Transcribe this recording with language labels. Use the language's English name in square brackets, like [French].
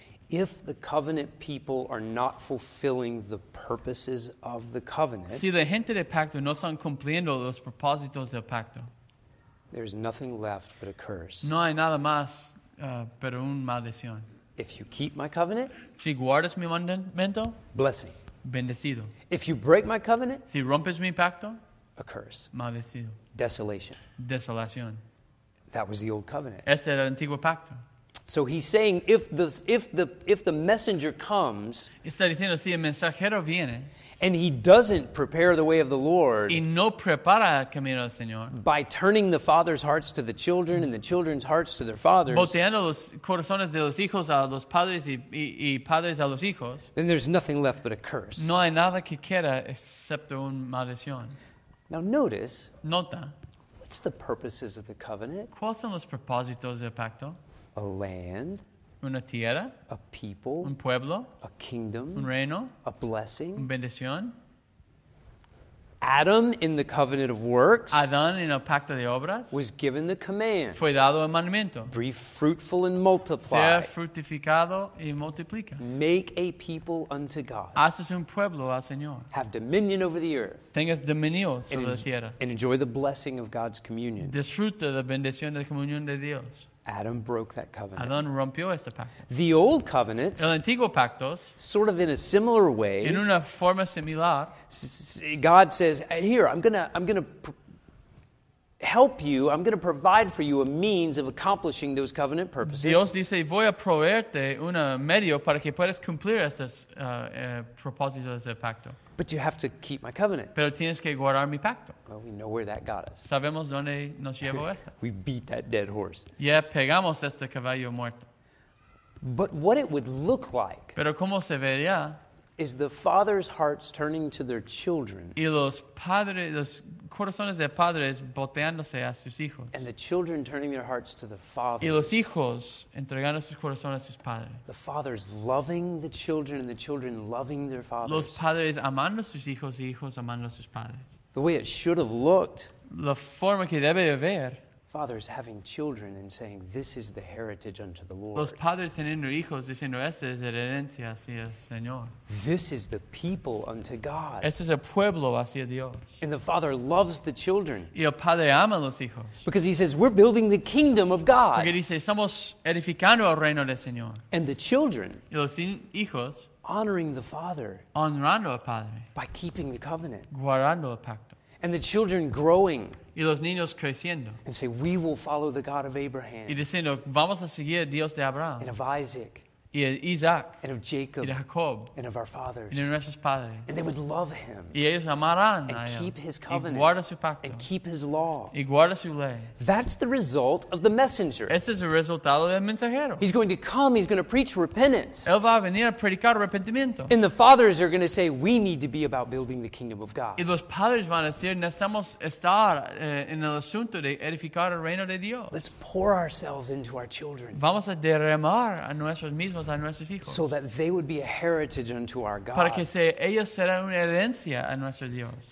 [English] If the covenant people are not fulfilling the purposes of the covenant, [Spanish] si la gente del pacto no están cumpliendo los propósitos del pacto, [English] there is nothing left but a curse. [Spanish] No hay nada más, pero una maldición. [English] If you keep my covenant, [Spanish] si guardas mi mandamiento, [English] blessing, [Spanish] bendecido. [English] If you break my covenant, [Spanish] si rompes mi pacto, [English] a curse, [Spanish] maldecido. [English] Desolation, [Spanish] desolación. [English] That was the old covenant. [Spanish] Ese era el antiguo pacto. [English] So he's saying if the messenger comes, [Spanish] está diciendo, si el mensajero viene, [English] and he doesn't prepare the way of the Lord, [Spanish] y no prepara el camino del Señor, [English] by turning the father's hearts to the children and the children's hearts to their fathers, [Spanish] volteando los corazones de los hijos a los padres y padres a los hijos, [English] then there's nothing left but a curse. [Spanish] No hay nada que queda excepto una maldición. [English] Now notice, [Spanish] nota, [English] what's the purposes of the covenant? [Spanish] ¿Cuáles son los propósitos del pacto? [English] A land, [Spanish] una tierra, [English] a people, [Spanish] un pueblo, [English] a kingdom, [Spanish] un reino, [English] a blessing, [Spanish] una bendición. [English] Adam in the covenant of works, [Spanish] Adán en el pacto de obras, [English] was given the command, [Spanish] fue dado el mandamiento, [English] be fruitful and multiply, [Spanish] sea fructificado y multiplica, [English] make a people unto God, [Spanish] haces un pueblo al Señor, [English] have dominion over the earth, [Spanish] tengas dominio sobre la tierra, [English] and enjoy the blessing of God's communion, [Spanish] disfruta la bendición de la comunión de Dios. [English] Adam broke that covenant. [Spanish] Adán rompió este pacto. [English] The old covenant, [Spanish] el antiguo pacto, [English] sort of in a similar way, [Spanish] en una forma similar, [English] God says, here, I'm going to help you, I'm going to provide for you a means of accomplishing those covenant purposes. [Spanish] Dios dice, voy a proveerte un medio para que puedas cumplir estos propósitos del pacto. [English] But you have to keep my covenant. [Spanish] Pero tienes que guardar mi pacto. [English] Well, we know where that got us. [Spanish] Sabemos dónde nos llevó esto. [English] We beat that dead horse. [Spanish] Ya pegamos este caballo muerto. [English] But what it would look like, [Spanish] pero cómo se vería, [English] is the father's hearts turning to their children. [Spanish] Y los padres, los corazones de padres volteándose a sus hijos. [English] And the children turning their hearts to the fathers. [Spanish] Y los hijos entregando sus corazones a sus padres. [English] The fathers loving the children and the children loving their fathers. [Spanish] Los padres amando a sus hijos y hijos amando a sus padres. [English] The way it should have looked. [Spanish] La forma que debe haber. [English] Fathers having children and saying, this is the heritage unto the Lord. [Spanish] Los padres teniendo hijos diciendo, esta es la herencia hacia el Señor. [English] This is the people unto God. [Spanish] Este es el pueblo hacia Dios. [English] And the father loves the children. [Spanish] Y el padre ama los hijos. [English] Because he says, we're building the kingdom of God. [Spanish] Porque dice, estamos edificando el reino del Señor. [English] And the children. [Spanish] Y los hijos. [English] Honoring the father. [Spanish] Honrando al padre. [English] By keeping the covenant. [Spanish] Guardando el pacto. [English] And the children growing. [Spanish] Y los niños creciendo. [English] And say, we will follow the God of Abraham. [Spanish] Y diciendo, vamos a seguir a Dios de Abraham. [English] And of Isaac. [Spanish] Y de Isaac. [English] And of Jacob. [Spanish] Y de Jacob. [English] And of our fathers. [Spanish] Y de nuestros padres. [English] And they would love him. [Spanish] Y ellos amarán a él. [English] And keep his covenant. [Spanish] Y guarda su pacto. [English] And keep his law. [Spanish] Y guarda su ley. [English] That's the result of the messenger. [Spanish] Ese es el resultado del mensajero. [English] He's going to come. He's going to preach repentance. [Spanish] Él va a venir a predicar arrepentimiento. [English] And the fathers are going to say, we need to be about building the kingdom of God. [Spanish] Y los padres van a decir, necesitamos estar en el asunto de edificar el reino de Dios. [English] Let's pour ourselves into our children. [Spanish] Vamos a derramar a nuestros mismos. [English] So that they would be a heritage unto our God. [Spanish] Para que sea, ellos serán una herencia a nuestro Dios.